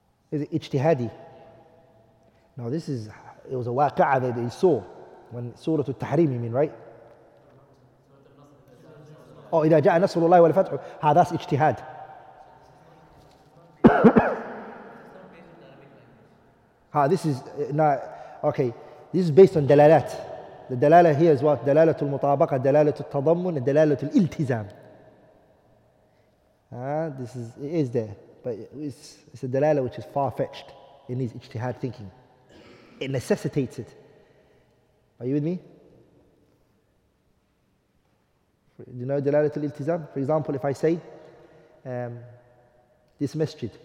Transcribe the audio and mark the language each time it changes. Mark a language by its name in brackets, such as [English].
[English] Is it ijtihadi? No, this is, it was a waqa'ah that they saw when Surah Al-Tahrim, you mean, right? [Arabic] Oh, إِذَا جَاءَ نَصْرُ اللَّهِ وَالْفَتْحُ. [English] Ha, that's ijtihad. Ha, this is, okay, this is based on dalalat. The dalala here is what? [Arabic] دلالة المطابقة, دلالة التضمن, دلالة الالتزام. [English] It is there. But it's a dalala which is far-fetched. It needs ijtihad thinking. It necessitates it. Are you with me? Do you know دلالة الالتزام? For example, if I say, this masjid.